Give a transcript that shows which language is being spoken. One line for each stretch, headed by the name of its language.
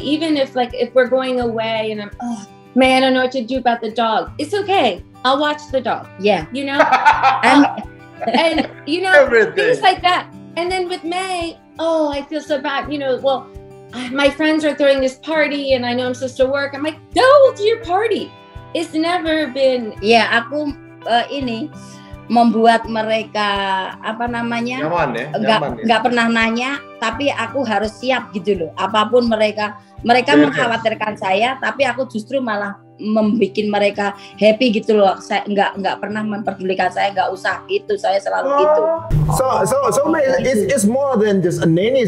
English: Even if, like, if we're going away and I'm, oh, Mae, I don't know what to do about the dog. It's okay. I'll watch the dog. Yeah. You know? and you know, everything. Things like that. And then with Mae, oh, I feel so bad. You know, well, my friends are throwing this party and I know I'm supposed to work. I'm like, go to your party. It's never been.
Indonesian: Yeah, aku ini membuat mereka apa namanya? Nyaman ya. Gak pernah nanya, tapi aku harus siap gitu loh. Apapun mereka mengkhawatirkan saya, tapi aku justru malah membuat mereka happy gitu loh. Saya nggak pernah memperdulikan saya, nggak usah gitu. Saya selalu gitu.
English: So Mae, it's more than just a nanny.